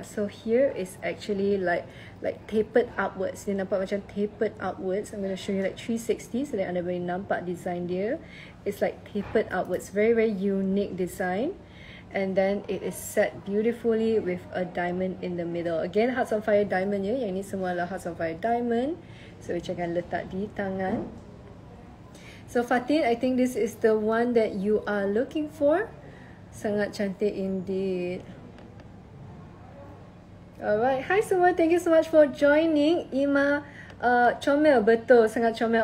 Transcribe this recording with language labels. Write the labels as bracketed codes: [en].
[en] So here is actually like tapered upwards. You [ms] nampak macam [en] tapered upwards. I'm going to show you like 360 so that [ms] anda boleh nampak [en] design dia. It's like tapered upwards. Very, very unique design. And then it is set beautifully with a diamond in the middle. Again, Hearts on Fire diamond ya. [ms] Yang ni semua adalah Hearts on Fire diamond. [en] So, which I can [ms] letak di tangan. [en] So, Fatin, I think this is the one that you are looking for. [ms] Sangat cantik indeed. [en] Alright, [ms] hi semua, [en] thank you so much for joining. Ima, [ms] comel, betul, sangat comel.